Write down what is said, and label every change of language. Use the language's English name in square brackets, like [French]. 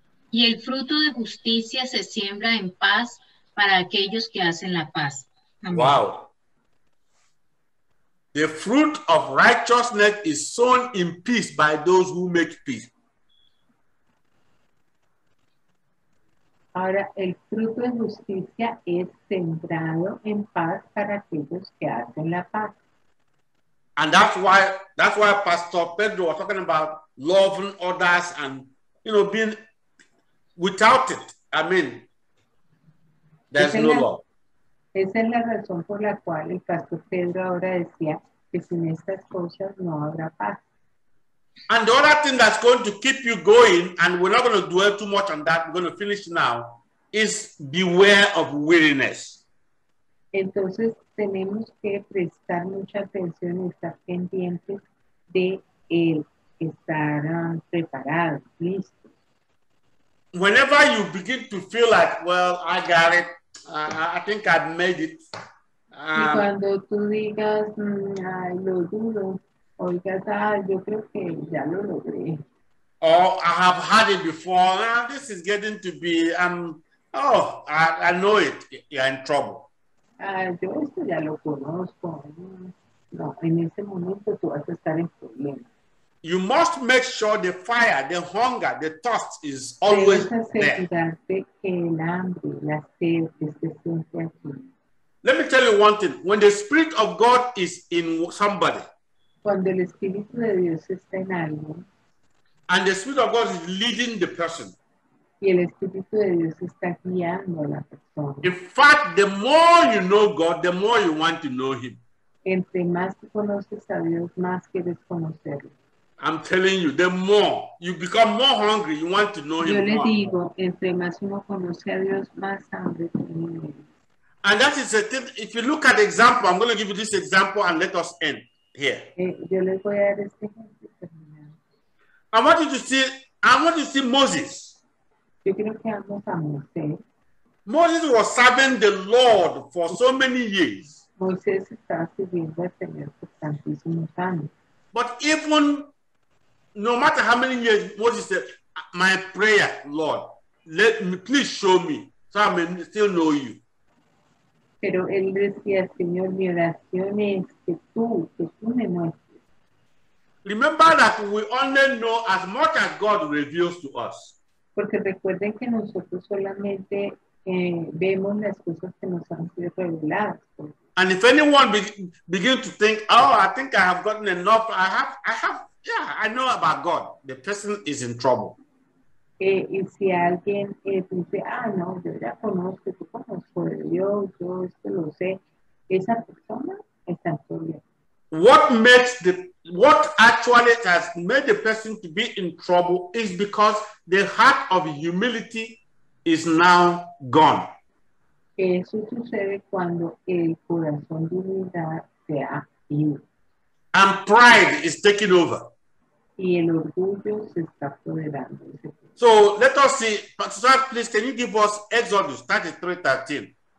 [Spanish] Y el fruto de justicia se siembra en paz para aquellos que hacen la paz. Amén. Wow. [English] The fruit of righteousness is sown in peace by those who make peace. [Spanish] Ahora, el fruto de justicia es sembrado en paz para aquellos que hacen la paz. [English] And that's why Pastor Pedro was talking about loving others and, you know, being without it, I mean, there's no love. [Spanish] Esa es la razón por la cual el Pastor Pedro ahora decía que sin estas cosas no habrá paz. [English] And the other thing that's going to keep you going, and we're not going to dwell too much on that, we're going to finish now, is beware of weariness. [Spanish] Entonces tenemos que prestar mucha atención y estar pendientes de el estar preparados, listo. [English] Whenever you begin to feel like, well, I got it, I think I've made it. [Spanish] Cuando tú digas, lo dudo, oigas, yo creo que ya lo logré. [English] Oh, I have had it before. This is getting to be, I know it. You're in trouble. [Spanish] Yo esto ya lo conozco. No, en ese momento tú vas a estar en problemas. [English] You must make sure the fire, the hunger, the thirst is always there. Let me tell you one thing. When the Spirit of God is in somebody, [Spanish] cuando el Espíritu de Dios está en alguien, [English] and the Spirit of God is leading the person, [Spanish] y el Espíritu de Dios está guiando a la persona. [English] In fact, the more you know God, the more you want to know him. [Spanish] Entre más conoces a Dios, más quieres conocerlo. [English] I'm telling you, the more you become more hungry, you want to know [Spanish] yo [English] him [Spanish] le [English] more. [Spanish] Digo, entre más uno conoce a Dios, más hambre tiene. [English] And that is a thing. If you look at the example, I'm going to give you this example and let us end here. [Spanish] Yo le voy a dar este ejemplo. [English] I want you to see Moses. [Spanish] Yo creo que vamos a Moses. [English] Moses was serving the Lord for so many years. [Spanish] Moses estaba sirviendo al Señor por tantísimos años. [English] But even no matter how many years Moses said, my prayer, Lord, let me please show me so I may still know you. [Spanish] Pero él decía, Señor, mi oración es que tú me muestres. [English] Remember that we only know as much as God reveals to us. [Spanish] Porque recuerden que nosotros solamente vemos las cosas que nos han sido reveladas. [English] And if anyone begin to think, oh, I think I have gotten enough, I know about God, the person is in trouble. [Spanish] Y si alguien dice, no, yo ya conozco, tú conozco de Dios, yo esto lo sé, esa persona está en problema. [English] What actually has made the person to be in trouble is because the heart of humility is now gone. [Spanish] Eso sucede cuando el corazón de humildad se ha ido. [English] And pride is taking over. [Spanish] Y el orgullo se está apoderando. [English] So let us see. Pastor, please, can you give us Exodus 33:13?